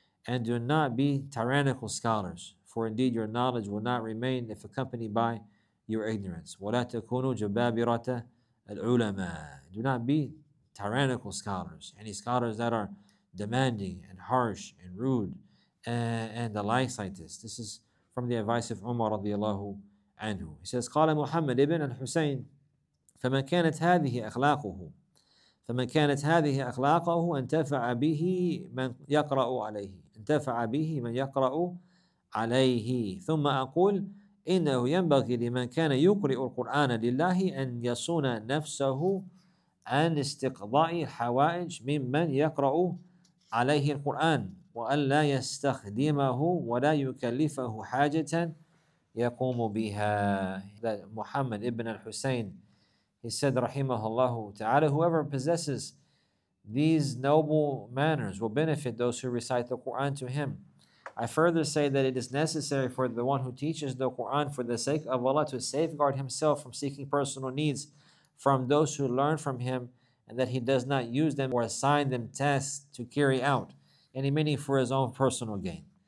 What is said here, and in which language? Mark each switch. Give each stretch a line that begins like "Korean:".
English: And do not be tyrannical scholars, for indeed your knowledge will not remain if accompanied by your ignorance.
Arabic: وَلَا تَكُونُوا جَبَابِرَةَ الْعُلَمَاءَ.
English: Do not be tyrannical scholars, any scholars that are demanding and harsh and rude and the likes like this. This is from the advice of Umar radiallahu anhu. He says,
Arabic: قَالَ مُحَمَّدْ ibn al-Husayn, فمن كانت هذه أخلاقه فمن كانت هذه أخلاقه انتفع به من يقرأ عليه انتفع به من يقرأ عليه ثم أقول إنه ينبغي لمن كان يقرأ القرآن لله أن يصون نفسه عن استقضاء الحوائج ممن يقرأ عليه القرآن وأن لا يستخدمه ولا يكلفه حاجة يقوم بها.
English: محمد ابن الحسين, he said, rahimahullahu ta'ala, whoever possesses these noble manners will benefit those who recite the Qur'an to him. I further say that it is necessary for the one who teaches the Qur'an for the sake of Allah to safeguard himself from seeking personal needs from those who learn from him, and that he does not use them or assign them tasks to carry out, any meaning for his own personal gain.